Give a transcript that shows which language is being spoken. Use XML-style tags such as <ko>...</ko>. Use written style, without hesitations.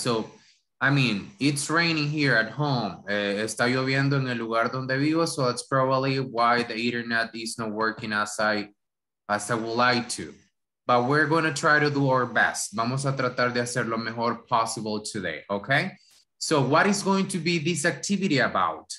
<en>So, I mean, it's raining here at home.</en> <es>Está lloviendo en el lugar donde vivo.</es> <en>So that's probably why the internet is not working as I would like to. But we're going to try to do our best.</en> <es>Vamos a tratar de hacer lo mejor possible today.</es> <en>Okay. So what is going to be this activity about?</en>